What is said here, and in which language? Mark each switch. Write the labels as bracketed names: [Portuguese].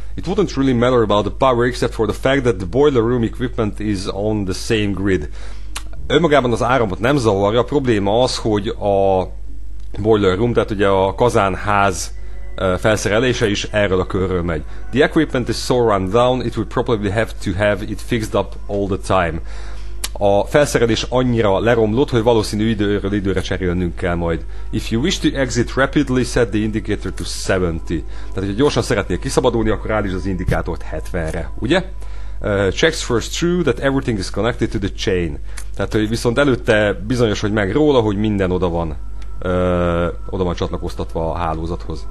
[English] It wouldn't really matter about the power except for the fact that the boiler room equipment is on the same grid. [Hungarian] Önmagában az áramot nem zavarja, a probléma az, hogy a boiler room, tehát ugye a kazánház felszerelése is erről a körről megy. [English] The equipment is so run down, it would probably have to have it fixed up all the time. [Hungarian] A felszerelés annyira leromlott, hogy valószínű időről időre cserélnünk kell majd. [English] If you wish to exit rapidly, set the indicator to 70. [Hungarian] Tehát, hogyha gyorsan szeretnél kiszabadulni, akkor állítsd az indikátort 70-re, ugye? [English] Checks first through that everything is connected to the chain. [Hungarian] Tehát, hogy viszont előtte bizonyos, hogy meg róla, hogy minden oda van csatlakoztatva a hálózathoz.